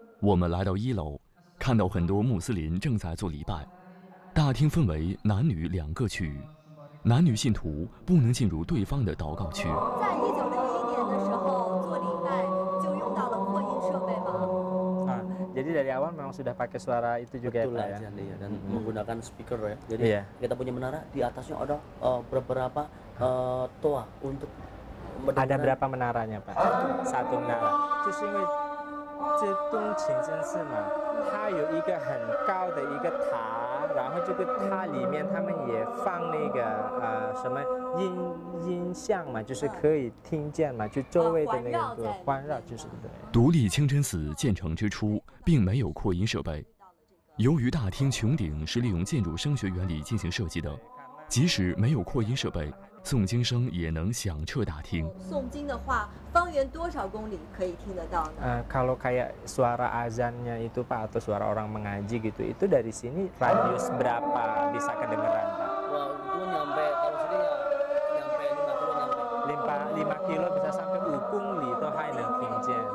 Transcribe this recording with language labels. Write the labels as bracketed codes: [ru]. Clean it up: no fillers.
[zh] 我们来到1楼，看到很多穆斯林正在做礼拜。大厅分为男女两个区域，男女信徒不能进入对方的祷告区。在1961年的时候，做礼拜就用到了扩音设备吗？ [id] Jadi dari awal memang sudah pakai suara itu juga. Betul ya, Pak, ya. Jadi, ya. Dan menggunakan speaker ya. Jadi kita punya menara, di atasnya ada beberapa toa untuk mendengar. Ada berapa menaranya, Pak? Satu menara. Justru ini Dong Qing Zhen Si mah, dia ada satu yang sangat tinggi, [zh] 然后这个塔里面他们也放那个什么音像嘛，就是可以听见嘛，就周围的那个环绕，就是对。独立清真寺建成之初并没有扩音设备，由于大厅穹顶是利用建筑声学原理进行设计的，即使没有扩音设备，诵经声也能响彻大厅。诵经的话，方圆多少公里可以听得到呢？ [id] kalau kayak suara azannya itu pak atau suara orang mengaji gitu, itu dari sini radius berapa bisa kedengeran pak? Wah, itu nyampe kalau sini nyampe 5 kilo bisa sampai [zh] 5公里都还能听见。